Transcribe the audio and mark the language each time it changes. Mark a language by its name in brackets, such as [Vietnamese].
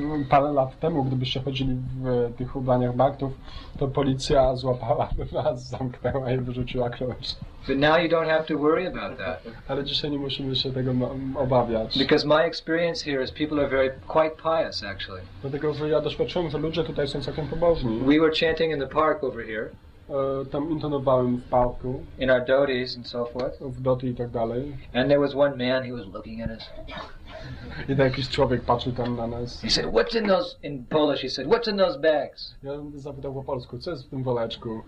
[Polish] Parę lat temu, gdybyście chodzili w tych ubraniach baktów, to policja złapałaby was, zamknęła i wyrzuciła klucz. [English] But now you don't have to worry about that. [Polish] Ale dzisiaj nie musimy się tego obawiać. [English] Because my experience here is people are very quite pious, actually. [Polish] Dlatego, że ja doświadczyłem, że ludzie tutaj są całkiem pobożni. [English] We were chanting in the park over here. [Polish] Tam intonowałem w parku. [English] In our dhotis and so forth. [Polish] W dhoti i tak dalej. [English] And there was one man, he was looking at us. [Polish] I tam jakiś człowiek patrzył tam na nas. [English] He said, what's in those, in Polish, he said, what's in those bags? [Polish] Ja on zapytał po polsku, co jest w tym woleczku?